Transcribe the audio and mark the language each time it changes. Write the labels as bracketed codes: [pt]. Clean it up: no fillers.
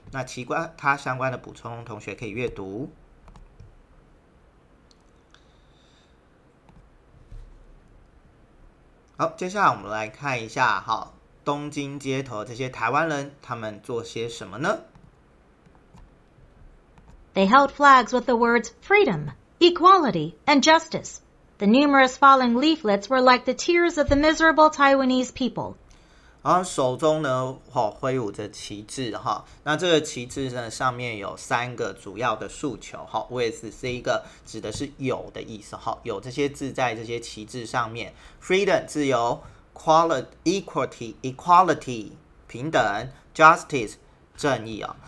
[zh] 那其关它相关的补充，同学可以阅读。好，接下来我们来看一下，哈，东京街头这些台湾人，他们做些什么呢？ [en] They held flags with the words freedom, equality, and justice. The numerous falling leaflets were like the tears of the miserable Taiwanese people. [zh] 然后手中呢，挥舞着旗帜哈。那这个旗帜呢，上面有三个主要的诉求哈。为此是一个指的是有的意思哈，有这些字在这些旗帜上面。 Freedom 自由，equality 平等，justice 正义啊。